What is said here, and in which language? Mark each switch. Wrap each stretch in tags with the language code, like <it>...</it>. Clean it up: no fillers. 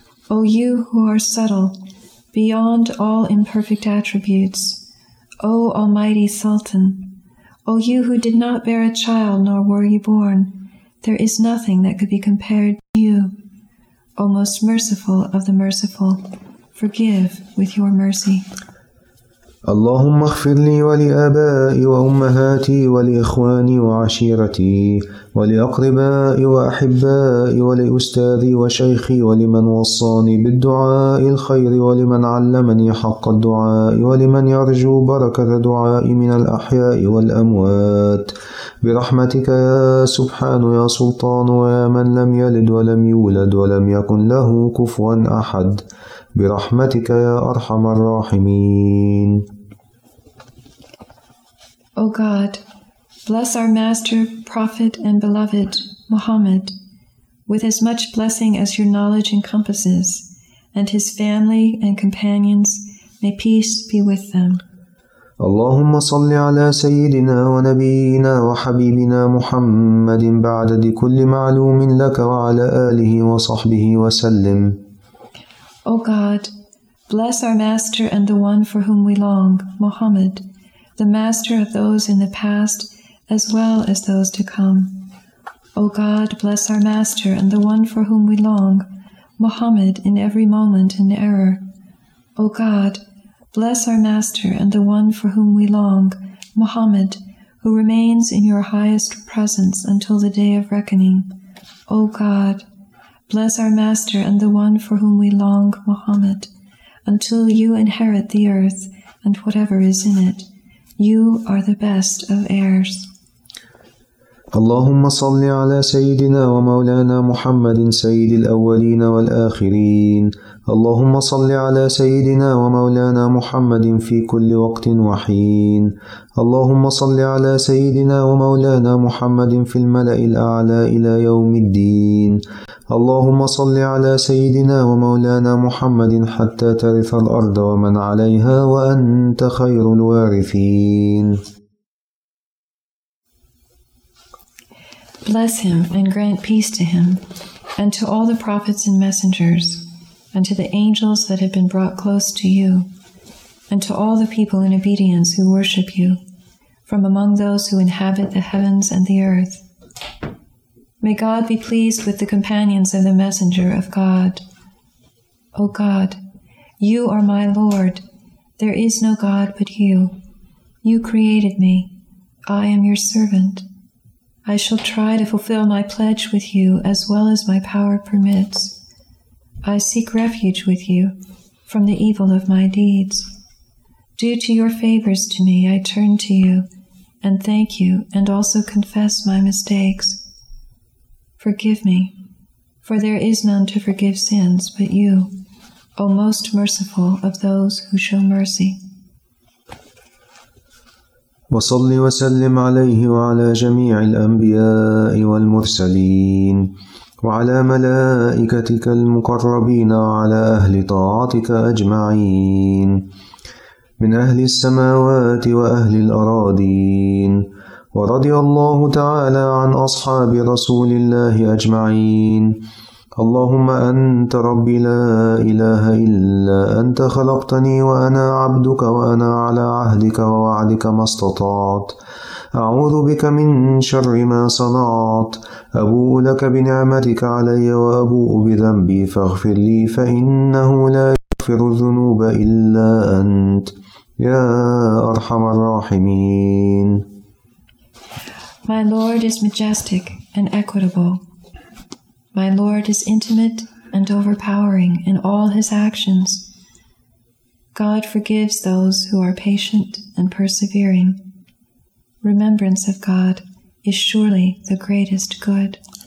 <en>O you who are subtle, beyond all imperfect attributes, O Almighty Sultan, O you who did not bear a child nor were you born, there is nothing that could be compared to you. O most merciful of the merciful, forgive with your mercy.</en> <ar>اللهم اغفر لي ولآبائي وأمهاتي ولإخواني وعشيرتي ولأقربائي وأحبائي ولأستاذي وشيخي ولمن وصاني بالدعاء الخير ولمن علمني حق الدعاء ولمن يرجو بركة دعائي من الأحياء والأموات برحمتك يا سبحان يا سلطان ويا من لم يلد ولم يولد ولم يكن له كفوا أحد برحمتك يا أرحم الراحمين.</ar> <en>O God, bless our Master, Prophet, and Beloved, Muhammad, with as much blessing as your knowledge encompasses, and his family and companions, may peace be with them.</en> <ar>اللهم صل على سيدنا ونبينا وحبيبنا محمد بعدد كل معلوم لك وعلى آله وصحبه وسلم.</ar> <en>O God, bless our Master and the one for whom we long, Muhammad, the master of those in the past as well as those to come. O God, bless our master and the one for whom we long, Muhammad, in every moment and error. O God, bless our master and the one for whom we long, Muhammad, who remains in your highest presence until the day of reckoning. O God, bless our master and the one for whom we long, Muhammad, until you inherit the earth and whatever is in it. You are the best of heirs.</en> <ar>اللهم صل على سيدنا ومولانا محمد سيد الأولين والآخرين. اللهم صل على سيدنا ومولانا محمد في كل وقت وحين. اللهم صل على سيدنا ومولانا محمد في الملأ الأعلى إلى يوم الدين. اللهم صل على سيدنا ومولانا محمد حتى ترث الأرض ومن عليها وأنت خير الوارثين.</ar> <en>Bless him and grant peace to him, and to all the prophets and messengers, and to the angels that have been brought close to you, and to all the people in obedience who worship you, from among those who inhabit the heavens and the earth. May God be pleased with the companions of the Messenger of God. O God, you are my Lord. There is no God but you. You created me. I am your servant. I shall try to fulfill my pledge with you as well as my power permits. I seek refuge with you from the evil of my deeds. Due to your favors to me, I turn to you and thank you and also confess my mistakes. Forgive me, for there is none to forgive sins but you, O most merciful of those who show mercy.</en> <ar>وصل وسلم عليه وعلى جميع الأنبياء والمرسلين وعلى ملائكتك المقربين وعلى أهل طاعتك أجمعين من أهل السماوات وأهل الأراضين ورضي الله تعالى عن أصحاب رسول الله أجمعين. اللهم أنت ربي لا إله إلا أنت خلقتني وأنا عبدك وأنا على عهدك ووعدك ما استطعت أعوذ بك من شر ما صنعت أبوء لك بنعمتك علي وأبوء بذنبي فاغفر لي فإنه لا يغفر الذنوب إلا أنت يا أرحم الراحمين.</ar> <en>My Lord is majestic and equitable. My Lord is intimate and overpowering in all his actions. God forgives those who are patient and persevering. Remembrance of God is surely the greatest good.</en>